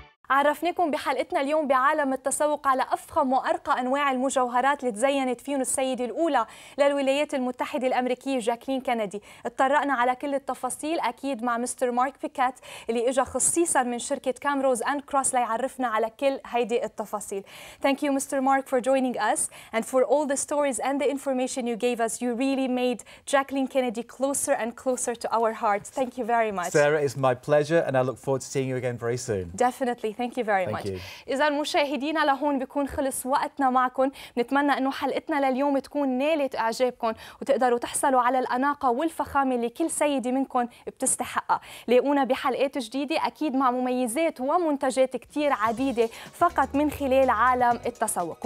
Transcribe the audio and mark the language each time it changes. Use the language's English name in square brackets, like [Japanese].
[Arabic] عرفناكم بحلقتنا اليوم بعالم التسوق على أفخم وأرقى أنواع المجوهرات اللي تزينت فيهم السيدة الأولى للولايات المتحدة الأمريكية جاكلين كينيدي. اتطرقنا على كل التفاصيل أكيد مع مستر مارك بيكات اللي إجا خصيصا من شركة كامروز أند كروس ليعرفنا على كل هيدي التفاصيل. [English] Thank you Mr. Mark for joining us and for all the stories and the information you gave us. You really made Jacqueline Kennedy closer and closer to our hearts. Thank you very much. Sarah, it's my pleasure and I look forward to seeing you again very soon. Definitely. Thank you very much. [Arabic] إذن مشاهدينا لهون بيكون خلص وقتنا معكم. نتمنى أنه حلقتنا لليوم تكون نالت إعجابكم وتقدروا تحصلوا على الأناقة والفخامة اللي كل سيدة منكم بتستحقها. لاقونا بحلقات جديدة أكيد مع مميزات ومنتجات كتير عديدة فقط من خلال عالم التسوق.